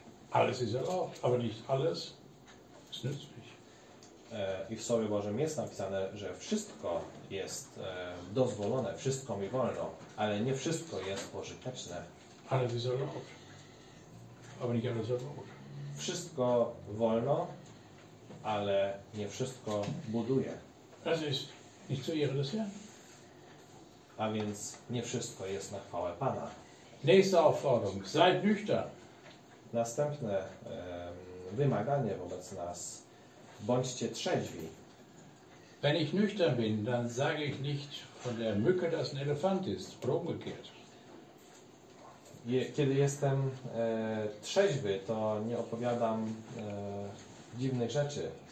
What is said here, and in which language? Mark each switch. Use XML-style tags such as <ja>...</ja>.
<de>Alles ist erlaubt, aber nicht alles ist nützlich.</de> <pl>I w Słowie Bożym jest napisane, że wszystko jest dozwolone, wszystko mi wolno, ale nie wszystko jest pożyteczne.</pl> <de>Alles ist erlaubt, aber nicht alles erlaubt.</de> <pl>Wszystko wolno, ale nie wszystko buduje.</pl> <de>Es ist nicht zu Ehre des Herrn.</de> <pl>A więc nie wszystko jest na chwałę Pana.</pl> <de>Nächste Aufforderung, seid nüchtern.</de> <pl>Następne wymaganie wobec nas. Bądźcie trzeźwi.</pl> <de>Wenn ich nüchtern bin, dann sage ich nicht von der Mücke, dass ein Elefant ist. Umgekehrt.</de> <pl>Kiedy jestem trzeźwy, to nie opowiadam dziwnych rzeczy.</pl>